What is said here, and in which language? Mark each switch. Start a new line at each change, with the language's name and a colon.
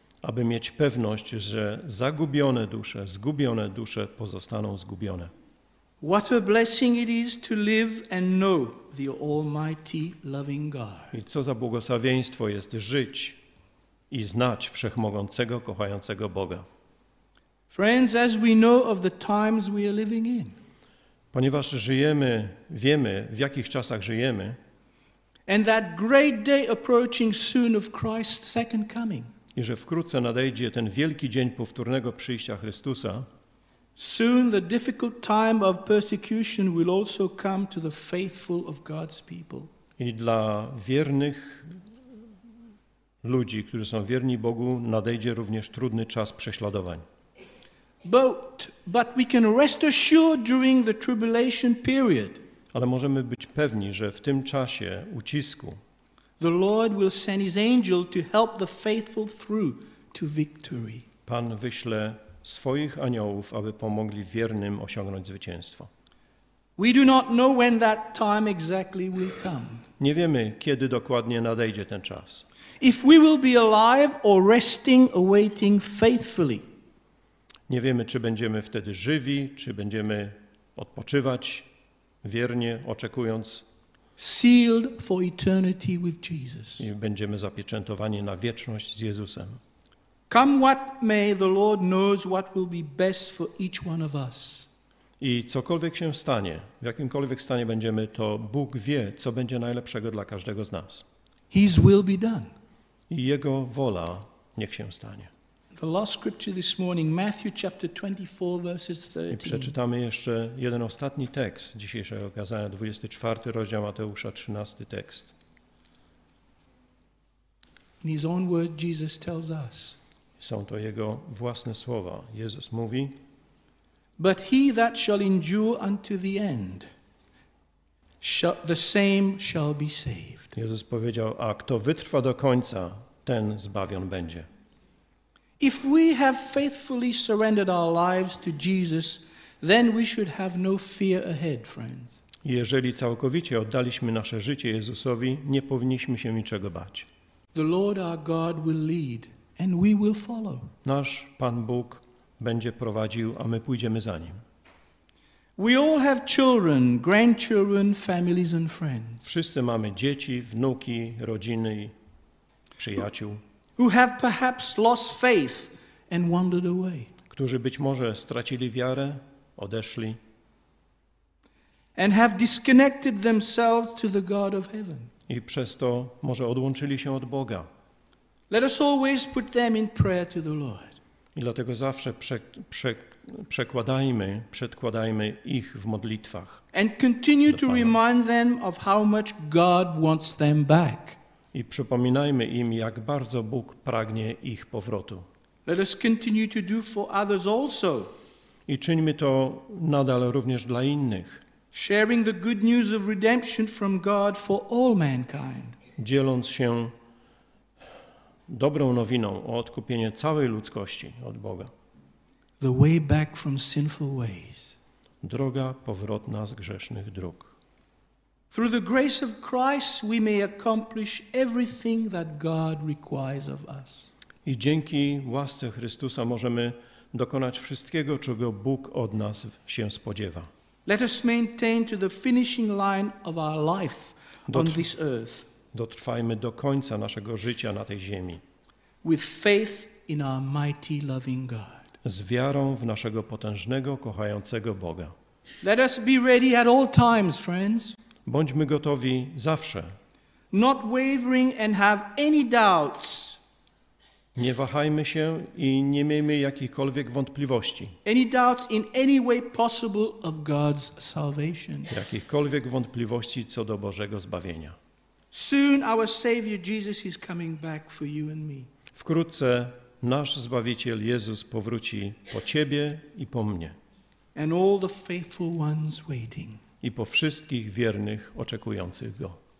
Polish: Aby mieć pewność, że zagubione dusze, zgubione dusze pozostaną zgubione.
English: What a blessing it is to live and know the Almighty loving God.
Polish: I co za błogosławieństwo jest żyć i znać wszechmogącego, kochającego Boga.
English: Friends, as we know of the times we are living in.
Polish: Ponieważ żyjemy, wiemy, w jakich czasach żyjemy.
English: And that great day approaching soon of Christ's second coming.
Polish: I że wkrótce nadejdzie ten wielki dzień powtórnego przyjścia Chrystusa.
English: Soon the difficult time of persecution will also come to the faithful of God's people.
Polish: I dla wiernych ludzi, którzy są wierni Bogu, nadejdzie również trudny czas prześladowań.
English: But we can rest assured during the tribulation period.
Polish: Ale możemy być pewni, że w tym czasie ucisku
English: the Lord will send his angel to help the faithful through to victory.
Polish: Pan wyśle swoich aniołów, aby pomogli wiernym osiągnąć zwycięstwo.
English: We do not know when that time exactly will come.
Polish: Nie wiemy, kiedy dokładnie nadejdzie ten czas.
English: If we will be alive or resting, awaiting faithfully.
Polish: Nie wiemy, czy będziemy wtedy żywi, czy będziemy odpoczywać wiernie, oczekując.
English: Sealed for eternity with Jesus.
Polish: I będziemy zapieczętowani na wieczność z Jezusem.
English: Come what may, the Lord knows what will be best for each one of us.
Polish: I cokolwiek się stanie, w jakimkolwiek stanie będziemy, to Bóg wie, co będzie najlepszego dla każdego z nas.
English: His will be done.
Polish: I Jego wola niech się stanie.
English: The last scripture this morning, Matthew chapter 24, verses 13.
Polish: I przeczytamy jeszcze jeden ostatni tekst dzisiejszego kazania, 24 rozdział Mateusza, 13 tekst.
English: In his own word, Jesus tells us.
Polish: Są to jego własne słowa. Jezus mówi:
English: But he that shall endure unto the end, the same shall be saved.
Polish: Jezus powiedział: A kto wytrwa do końca, ten zbawion będzie.
English: If we have faithfully surrendered our lives to Jesus, then we should have no fear ahead, friends.
Polish: Jeżeli całkowicie oddaliśmy nasze życie Jezusowi, nie powinniśmy się niczego bać.
English: The Lord our God will lead and we will follow.
Polish: Nasz Pan Bóg będzie prowadził, a my pójdziemy za nim.
English: We all have children, grandchildren, families and friends.
Polish: Wszyscy mamy dzieci, wnuki, rodziny, przyjaciół.
English: who have perhaps lost faith and wandered away.
Polish: Którzy być może stracili wiarę, odeszli.
English: And have disconnected themselves to the God of heaven.
Polish: I przez to może odłączyli się od Boga.
English: Let us always put them in prayer to the Lord.
Polish: I dlatego zawsze przedkładajmy ich w modlitwach.
English: And continue to remind them of how much God wants them back.
Polish: I przypominajmy im, jak bardzo Bóg pragnie ich powrotu.
English: Let us continue to do for others also.
Polish: I czyńmy to nadal również dla innych.
English: Sharing the good news of redemption from God for all mankind.
Polish: Dzieląc się dobrą nowiną o odkupienie całej ludzkości od Boga.
English: The way back from sinful ways.
Polish: Droga powrotna z grzesznych dróg.
English: Through the grace of Christ we may accomplish everything that God requires of us.
Polish: I dzięki łasce Chrystusa możemy dokonać wszystkiego, czego Bóg od nas się spodziewa.
English: Let us maintain to the finishing line of our life on this earth.
Polish: Dotrwajmy do końca naszego życia na tej ziemi.
English: With faith in our mighty loving God.
Polish: Z wiarą w naszego potężnego, kochającego Boga.
English: Let us be ready at all times, friends.
Polish: Bądźmy gotowi zawsze.
English: Not wavering and have any doubts.
Polish: Nie wahajmy się i nie miejmy jakichkolwiek wątpliwości.
English: Any doubts in any way possible of God's salvation.
Polish: Jakichkolwiek wątpliwości co do Bożego zbawienia.
English: Soon our Savior Jesus is coming back for you and me.
Polish: Wkrótce nasz Zbawiciel Jezus powróci po ciebie i po mnie.
English: And all the faithful ones waiting.
Polish: I po wszystkich wiernych oczekujących Go.